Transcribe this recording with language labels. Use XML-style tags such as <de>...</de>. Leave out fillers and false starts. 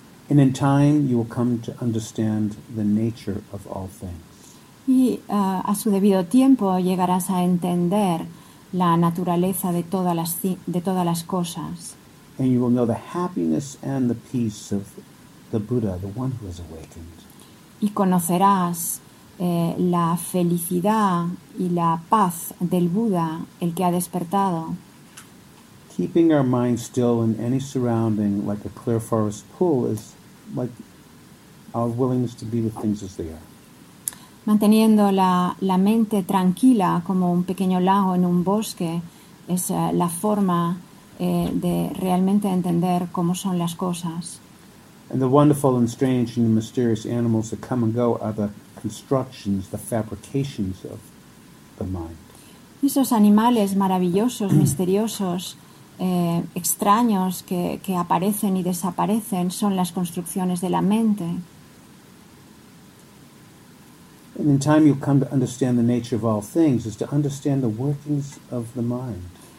<en>And in time, you will come to understand the nature of all things.</en> <es>Y a su debido tiempo llegarás a entender la naturaleza de todas las cosas.</es> <en>And you will know the happiness and the peace of the Buddha, the one who has awakened.</en> <es>Y conocerás la felicidad y la paz del Buda, el que ha despertado.</es> <en>Keeping our mind still in any surrounding, like a clear forest pool, is like our willingness to be with things as they are.</en> <es>Manteniendo la mente tranquila como un pequeño lago en un bosque es la forma de realmente entender cómo son las cosas.</es> <en>And the wonderful and strange and mysterious animals that come and go are the constructions, the fabrications of the mind.</en> <es>Esos animales maravillosos, misteriosos, extraños que aparecen y desaparecen son las construcciones de la mente.</es> <en>And in time you'll come to understand the nature of all things is to understand the workings of the mind.</en>